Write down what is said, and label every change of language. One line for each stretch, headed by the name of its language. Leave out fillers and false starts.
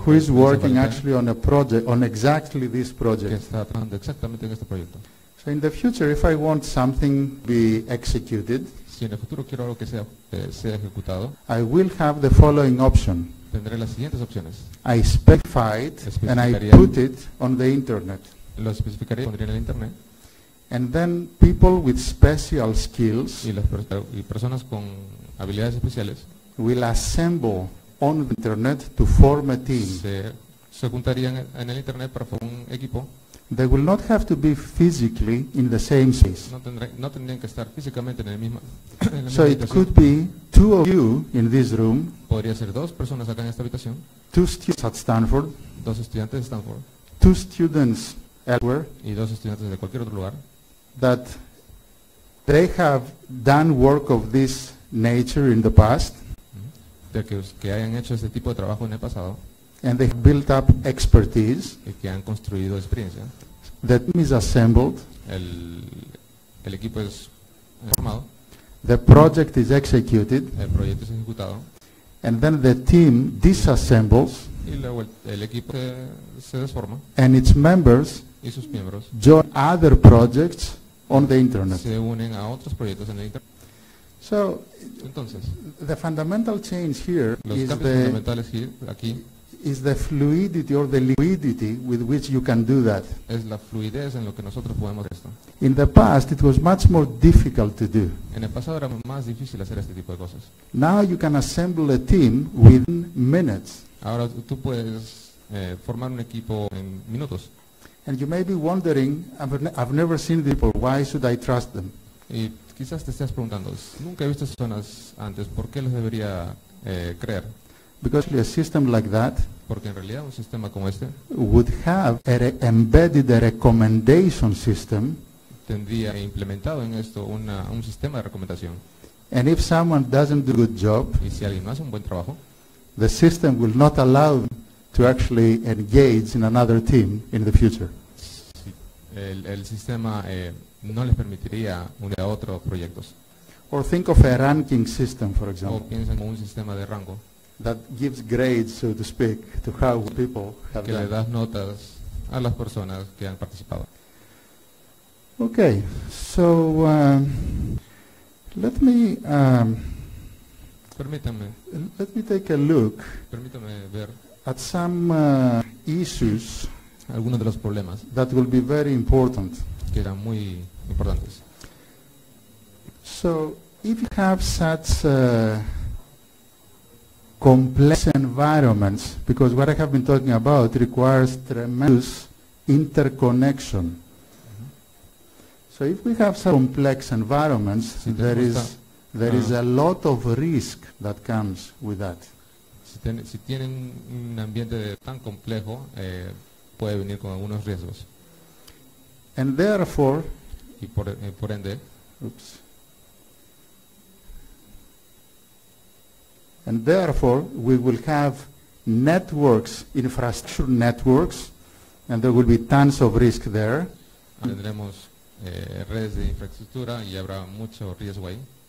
English: who is working actually on a project, on exactly this project.
Spanish: Que está trabajando exactamente en este proyecto.
English: So in the future, if I want something be executed,
Spanish: si en el futuro quiero algo que sea ejecutado,
English: I will have the following option.
Spanish: Tendré las siguientes opciones.
English: I specify it and I put it on the internet.
Spanish: Lo especificaría y pondría en el internet.
English: And then people with special skills
Spanish: y personas con habilidades especiales
English: will assemble on the internet to form a team.
Spanish: Se juntarían en el internet para formar un equipo.
English: They will not have to be physically in the same space.
Spanish: No tendrían que estar físicamente en el mismo.
English: So it could be two of you in this room.
Spanish: Podría ser dos personas acá en esta habitación.
English: Two students at Stanford.
Spanish: Dos estudiantes de Stanford.
English: Two students elsewhere.
Spanish: Y dos estudiantes de cualquier otro lugar.
English: That they have done work of this nature in the past.
Spanish: De que hayan hecho este tipo de trabajo en el pasado.
English: And they built up expertise.
Spanish: Y que han construido experiencia.
English: The team is assembled.
Spanish: El equipo es formado.
English: The project is executed.
Spanish: El proyecto es ejecutado.
English: And then the team disassembles.
Spanish: Y luego el equipo se desforma.
English: And its members
Spanish: y sus miembros
English: join other projects on the internet.
Spanish: Se unen a otros proyectos en el internet.
English: So,
Spanish: entonces,
English: the fundamental change here
Spanish: los
English: is
Spanish: cambios fundamentales aquí.
English: Is the fluidity or the liquidity with which you can do that.
Spanish: Es la fluidez en lo que nosotros podemos hacer esto.
English: In the past, it was much more difficult to do.
Spanish: En el pasado era más difícil hacer este tipo de cosas.
English: Now you can assemble a team within minutes.
Spanish: Ahora tú puedes formar un equipo en minutos.
English: And you may be wondering, I've never seen these people, why should I trust them?
Spanish: Y quizás te estás preguntando, nunca he visto estas personas antes, ¿por qué les debería creer?
English: Because a system like that,
Spanish: porque en realidad un sistema como este
English: would have embedded a recommendation system,
Spanish: tendría implementado en esto un sistema de recomendación.
English: And if someone doesn't do a good job,
Spanish: y si alguien no hace un buen trabajo,
English: the system will not allow them to actually engage in another team in the future.
Spanish: Sí, el sistema no les permitiría unir a otros proyectos.
English: Or think of a ranking system, for example.
Spanish: O piensen en un sistema de rango.
English: That gives grades, so to speak, to how people have
Spanish: que le das notas a las personas que han participado.
English: Okay, so let me take a look.
Spanish: Permítame ver
English: at some issues,
Spanish: algunos de los problemas
English: that will be very important,
Spanish: que eran muy importantes.
English: So, if you have such complex environments, because what I have been talking about requires tremendous interconnection. So if we have some complex environments, there is a lot of risk that comes with that.
Spanish: Si tienen un ambiente tan complejo, puede venir con algunos riesgos.
English: And therefore,
Spanish: y por ende,
English: oops. And therefore, we will have networks, infrastructure networks, and there will be tons of risk there.
Spanish: Tendremos redes de infraestructura y habrá mucho riesgo ahí.